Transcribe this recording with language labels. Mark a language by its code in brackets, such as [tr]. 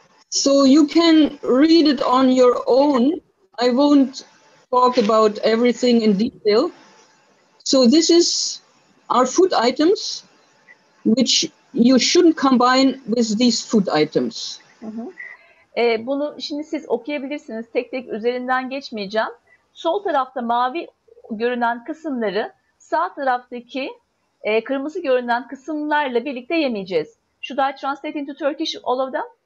[en] So you can read it on your own. I won't talk about everything in detail. So this is our food items which you shouldn't combine with these food items. [tr] Hı hı. Bunu şimdi siz okuyabilirsiniz. Tek tek üzerinden geçmeyeceğim. Sol tarafta mavi görünen kısımları sağ taraftaki kırmızı görünen kısımlarla birlikte yemeyeceğiz. [en] Should I translate into Turkish all of them?